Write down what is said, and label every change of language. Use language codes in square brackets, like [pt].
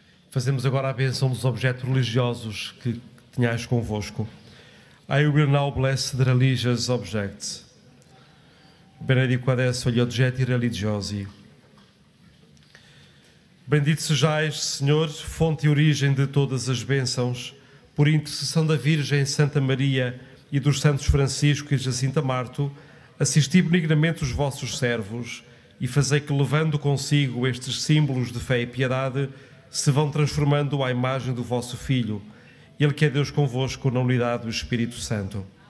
[pt] Fazemos agora a bênção dos objetos religiosos que tenhais convosco. [en] I will now bless the religious objects. [it] Benedico adesso gli oggetti religiosi. [pt] Bendito sejais, Senhor, fonte e origem de todas as bênçãos, por intercessão da Virgem Santa Maria e dos Santos Francisco e Jacinta Marto, assisti benignamente os vossos servos e fazei que, levando consigo estes símbolos de fé e piedade, se vão transformando à imagem do vosso Filho, Ele que é Deus convosco na unidade do Espírito Santo.